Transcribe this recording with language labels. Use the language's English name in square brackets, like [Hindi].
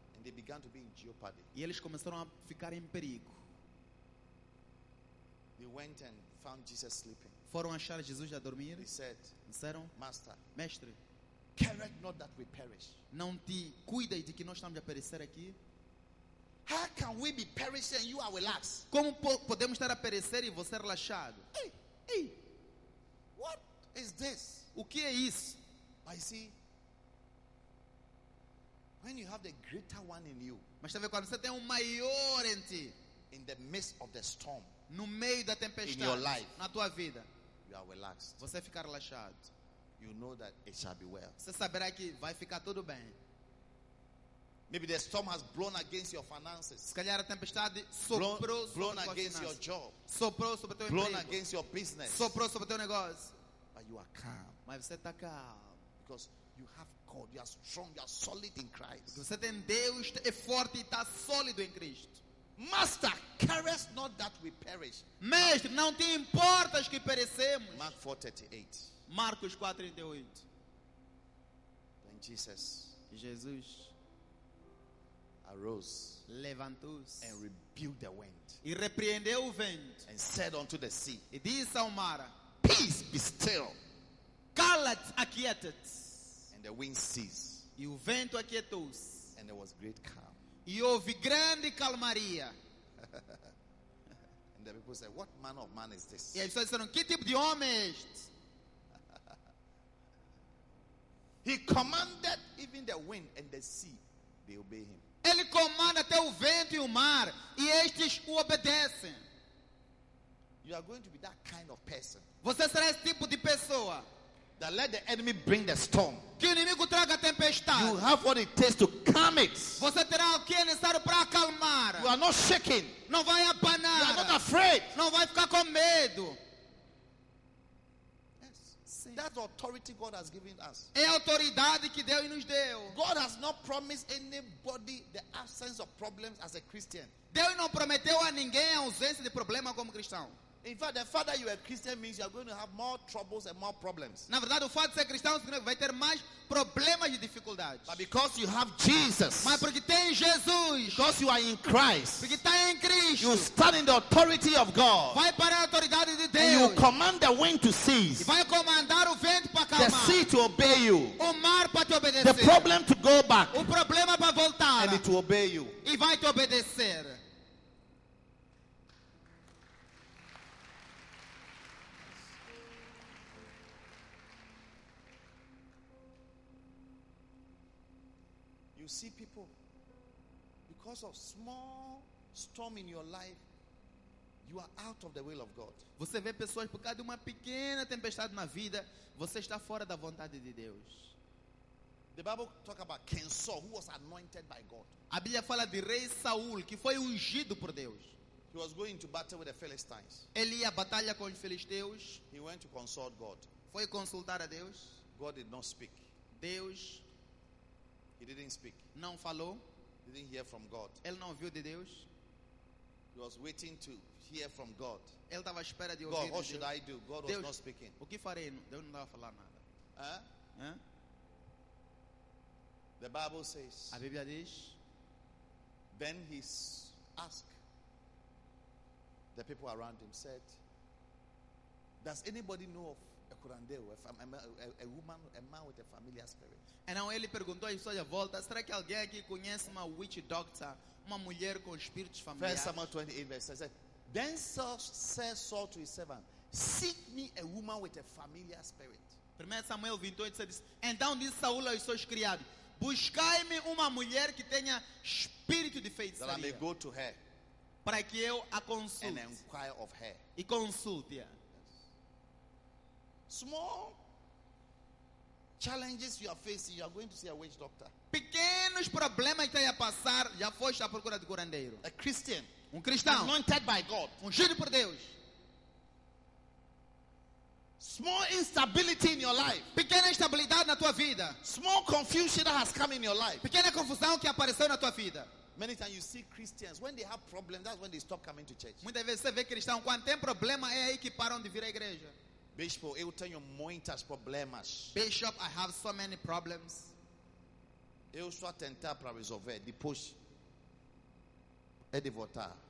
[English] And they began to be in jeopardy. [Portuguese] E eles começaram a ficar em perigo. [English] They went and found Jesus sleeping. [Portuguese] Foram achar Jesus a dormir. [English] They said, [Portuguese] disseram, [English] Master, [Portuguese] mestre, [English] careth not that we perish. [Portuguese] Não te cuidas de que nós estamos a perecer aqui? [English] How can we be perishing and you are relaxed? [Portuguese] Como podemos estar a perecer e você relaxado? [English] Hey, what? Is this? [Portuguese] O que é isso? [English] But you see, when you have the greater one in you, [Portuguese] mas sabe quando você tem maior em ti, [English] in the midst of the storm, [Portuguese] no meio da tempestade, [English] in your life, [Portuguese] na tua vida, [English] you are relaxed. [Portuguese] Você fica relaxado. [English] You know that it shall be well. [Portuguese] Você saberá que vai ficar tudo bem. [English] Maybe the storm has blown against your finances. [Portuguese] Se calhar a tempestade soprou sobre tua [English] blown against your job. [Portuguese] Soprou sobre teu [English] blown [Portuguese] emprego. [English] Against your business. [Portuguese] Soprou sobre teu negócio. [English] You are calm. [Portuguese] Mas você está calmo. [English] Because you have God, you are strong, you are solid in Christ. [Portuguese] Porque você tem Deus, é forte e está sólido em Cristo. [English] Master, carest not that we perish. [Portuguese] Mestre, não te importas que perecemos. [English] Mark 4:38. [Portuguese] Marcos 4:38. [English] Then Jesus. [Portuguese] Jesus. [English] arose, [Portuguese] levantou-se, [English] and rebuked the wind, [Portuguese] e repreendeu o vento, [English] and said unto the sea, [Portuguese] e disse ao mar, [English] peace be still, [Portuguese] cala-te, aquieta-te, [English] and the wind ceased, [Portuguese] e o vento aquietou-se, [English] and there was great calm, [Portuguese] e houve grande calmaria. [English] And the people said, what manner of man is this? [Portuguese] E as pessoas disseram, que tipo de homem é este? [English] He commanded even the wind and the sea, they obey him. [Portuguese] Ele comanda até o vento e o mar, e estes o obedecem. [English] You are going to be that kind of person. [Portuguese] Você será esse tipo de pessoa. [English] That let the enemy bring the storm. [Portuguese] Que o inimigo traga a tempestade. [English] You have what it takes to calm it. [Portuguese] Você terá o que é necessário para acalmar. [English] You are not shaking. [Portuguese] Não vai abanar. [English] You are not afraid. [Portuguese] Não vai ficar com medo. [English] That's the authority God has given us. [Portuguese] É a autoridade que Deus nos deu. [English] God has not promised anybody the absence of problems as a Christian. [Portuguese] Deus não prometeu a ninguém a ausência de problema como cristão. [English] In fact, the fact that you are a Christian means you are going to have more troubles and more problems. [Portuguese] Na verdade, o fato de ser cristão significa que vai ter mais problemas e dificuldades. [English] But because you have Jesus. [Portuguese] Mas porque tem Jesus. [English] Because you are in Christ. [Portuguese] Porque está em Cristo. [English] You stand in the authority of God. [Portuguese] Vai para a autoridade de Deus. [English] And you command the wind to cease. [Portuguese] E vai comandar o vento para calmar. [English] The sea to obey you. [Portuguese] O mar para te obedecer. [English] The problem to go back. [Portuguese] O problema para voltar. [English] And it will obey you. [Portuguese] E vai te obedecer. [English] See people, because of small storm in your life, you are out of the will of God. [Portuguese] Você vê pessoas por causa de uma pequena tempestade na vida, você está fora da vontade de Deus. [English] The Bible talk about King Saul, who was anointed by God. [Portuguese] A Bíblia fala de rei Saul, que foi ungido por Deus. [English] He was going to battle with the Philistines. [Portuguese] Ele ia batalha com os filisteus. [English] He went to consult God. [Portuguese] Foi consultar a Deus. [English] God did not speak. [Portuguese] Deus. [English] He didn't speak. [Portuguese] Não falou. [English] He didn't hear from God. [Portuguese] Ele não ouviu de Deus. [English] He was waiting to hear from God. [Portuguese] Ele estava à espera de ouvir [English] God, what Should I do? God [Portuguese] Deus, [English] was not speaking. [Portuguese] O que farei? Deus não estava a falar nada. [English] The Bible says. [Portuguese] A Bíblia diz. [English] Then he asked the people around him, said, does anybody know of a curandeiro, a woman, a man with a familiar spirit. [Portuguese] Então ele perguntou à sua volta, será que alguém aqui conhece uma [English] witch doctor, [Portuguese] uma mulher com espíritos familiares? [English] 1 Samuel 28, verse 7. Then said Saul to his servant, seek me a woman with a familiar spirit. 1 Samuel 28, verse 7. [Portuguese] Então disse Saul aos seus criados, buscai-me uma mulher que tenha espírito de feitiçaria. [English] That I may go to her. [Portuguese] Para que eu a consulte. [English] And inquire of her. [Portuguese] E consulte-a. [English] Small challenges you are facing, you are going to see a witch doctor. [Portuguese] Pequenos problemas que está a passar, já foste à procura de curandeiro. [English] A Christian, [Portuguese] um cristão, [English] anointed by God, [Portuguese] ungido por Deus. [English] Small instability in your life, [Portuguese] pequena instabilidade na tua vida. [English] Small confusion that has come in your life, [Portuguese] pequena confusão que apareceu na tua vida. [English] Many times you see Christians when they have problems, that's when they stop coming to church. [Portuguese] Muitas vezes você vê cristão quando tem problema é aí que param de vir à igreja. Bishop, eu tenho muitas problemas. [English] Bishop, I have so many problems. [Portuguese] Eu estou a tentar para resolver depois é de voltar.